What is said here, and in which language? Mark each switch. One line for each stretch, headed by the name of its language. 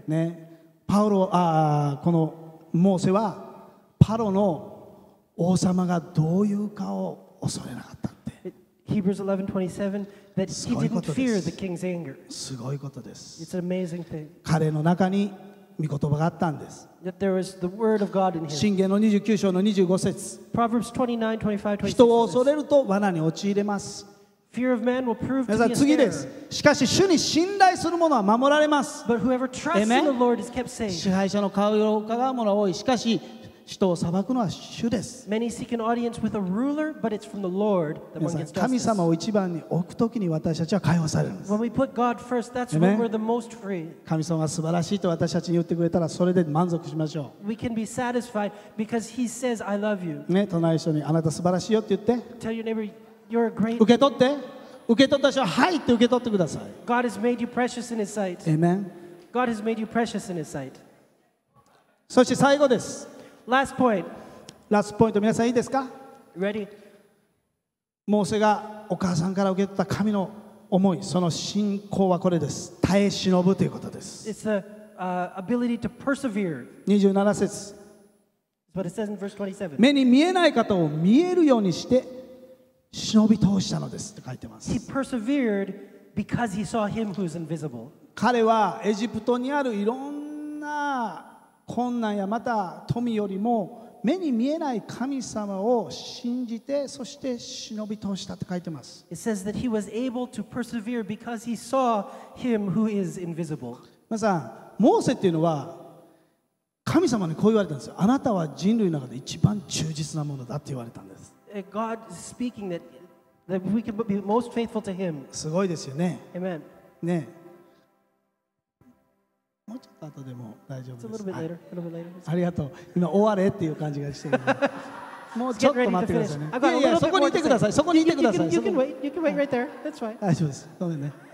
Japanese: ね、パウロ、あ、このモーセはパロの王様がどういうかを恐れなかったって。
English: Hebrews 11:27 that he didn't fear the king's anger.
Japanese: すごいことです。
English: It's an amazing thing.
Japanese: 彼の中に御言葉があったんです。
English: That there was the word of God in him.
Japanese: 箴言の29章の25節。
English: Proverbs 29:25-26.
Japanese: 人を恐れると罠に陥れます。
English: Fear of man will prove to be a snare.
Japanese: 次です。しかし主に信頼する者は守られます。
English: But whoever trusts in the Lord is kept safe.
Japanese: 支配者の顔色を伺う者は多い。しかし人を裁くのは主です。
English: Many seek an audience with a ruler, but it's from the Lord that one gets justice.
Japanese: 神様を一番に置くときに私たちは解放されるんです。
English: When we put God first, that's when we're the most free.
Japanese: 神様が素晴らしいと私たちに言ってくれたらそれで満足しましょう。
English: We can be satisfied because He says, "I love you."
Japanese: ね、隣の人にあなた素晴らしいよって言って。
English: Tell your neighbor, "You're a great."
Japanese: 受け取って、受け取った人ははいって受け取ってください。
English: God has made you precious in His sight. Amen. God has made you precious in His sight.
Japanese: そして最後です。
English: Last point. Last point.
Japanese: 皆さんいいですか?
English: Ready?
Japanese: モーセがお母さんから受け取った神の思い、その信仰はこれです。耐え忍ぶということです。
English: It's the ability to persevere. 27
Japanese: 節。
English: But it says in verse 27.
Japanese: 目に見えない方を見えるようにして忍び通したのですって書いてます。
English: He persevered because he saw him who's invisible.
Japanese: 彼はエジプトにあるいろんな困難やまた富よりも目に見えない神様を信じてそして忍び通したって書いてます。
English: It says that he was able to persevere because he saw him who is invisible.
Japanese: 皆さん、モーセっていうのは神様にこう言われたんですよ。あなたは人類の中で一番忠実なものだって言われたんです。
English: God speaking that we can be most faithful to him.
Japanese: すごいですよね。
English: Amen.
Japanese: ね。もうちょっと後でも大丈夫です。
English: It's a little bit later. A little bit later.
Japanese: ありがとう。今終われっていう感じがしてる。もうちょっと待ってくださいね。いやいや、そこにいてください。そこにいてください。
English: You can wait. You can wait right there. That's right.
Japanese: 大丈夫です。ごめんね。